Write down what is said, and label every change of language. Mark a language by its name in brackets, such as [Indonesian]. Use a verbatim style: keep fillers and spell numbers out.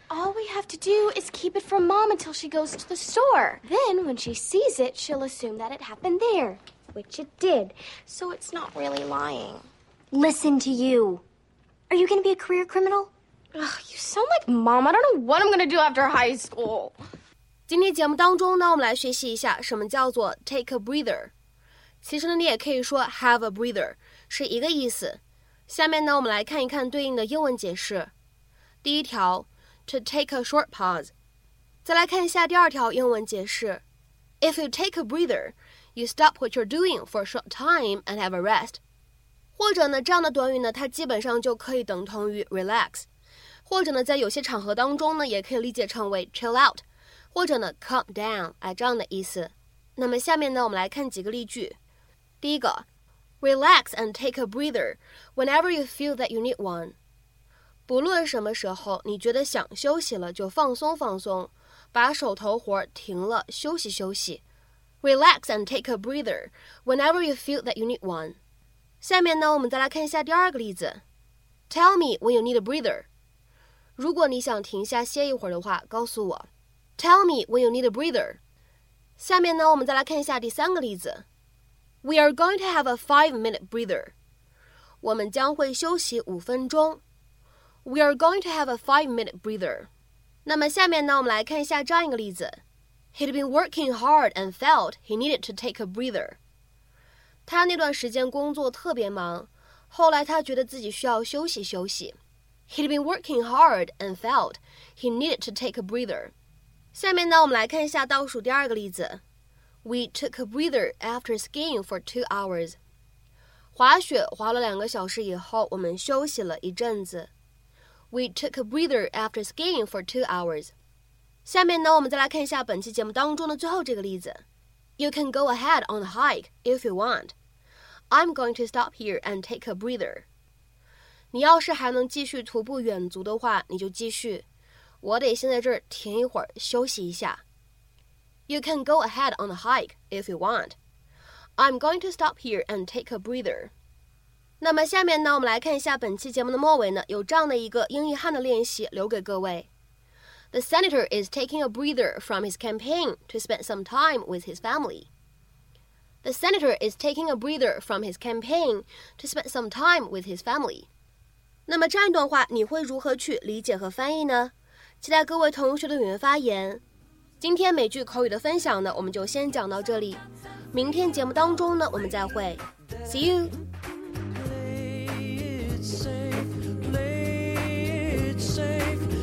[English] All we have to do is keep it from Mom until she goes to the store. Then, when she sees it, she'll assume that it happened there, which it did. So it's not really lying. Listen to you. Are you going to be a career criminal? Ugh, you sound like Mom. I don't know what I'm going to do after high school. [Chinese] 今天节目当中呢，我们来学习一下什么叫做 [English] take a breather。 [Chinese] 其实呢，你也可以说 [English] have a breather， [Chinese] 是一个意思。下面呢，我们来看一看对应的英文解释。第一条 [English] ，to take a short pause。 [Chinese] 再来看一下第二条英文解释 [English] ，If you take a breather, you stop what you're doing for a short time and have a rest。 [Chinese] 或者呢，这样的短语呢，它基本上就可以等同于 relax。或者呢，在有些场合当中呢，也可以理解成为 [English] chill out， [Chinese] 或者呢 [English] calm down， [Chinese] 哎，这样的意思。那么下面呢，我们来看几个例句。第一个 [English] ，relax and take a breather whenever you feel that you need one。 [Chinese] 不论什么时候，你觉得想休息了，就放松放松，把手头活停了，休息休息。 [English] Relax and take a breather whenever you feel that you need one。 [Chinese] 下面呢，我们再来看一下第二个例子。 [English] Tell me when you need a breather。 [Chinese] 如果你想停下歇一会儿的话，告诉我 [English] Tell me when you need a breather。 [Chinese] 下面呢，我们再来看一下第三个例子。 [English] We are going to have a five minute breather。 [Chinese] 我们将会休息五分钟。 [English] We are going to have a five minute breather。 [Chinese] 那么下面呢，我们来看一下这样一个例子。 [English] He'd been working hard and felt he needed to take a breather。 [Chinese] 他那段时间工作特别忙，后来他觉得自己需要休息休息。 [English] He'd been working hard and felt he needed to take a breather. [Chinese] 下面呢，我们来看一下倒数第二个例子。 [English] We took a breather after skiing for two hours. [Chinese] 滑雪滑了两个小时以后，我们休息了一阵子。 [English] We took a breather after skiing for two hours. [Chinese] 下面呢，我们再来看一下本期节目当中的最后这个例子。 [English] You can go ahead on the hike if you want. I'm going to stop here and take a breather. [Chinese] 你要是还能继续徒步远足的话，你就继续。我得先在这儿停一会儿，休息一下。 [English] You can go ahead on the hike if you want. I'm going to stop here and take a breather. [Chinese] 那么下面呢，我们来看一下本期节目的末尾呢，有这样的一个英译汉的练习留给各位。 [English] The senator is taking a breather from his campaign to spend some time with his family. The senator is taking a breather from his campaign to spend some time with his family. [Chinese] 那么这样一段话，你会如何去理解和翻译呢？期待各位同学的踊跃发言。今天美剧口语的分享呢，我们就先讲到这里。明天节目当中呢，我们再会。 [English] See you. Play it safe, play it safe.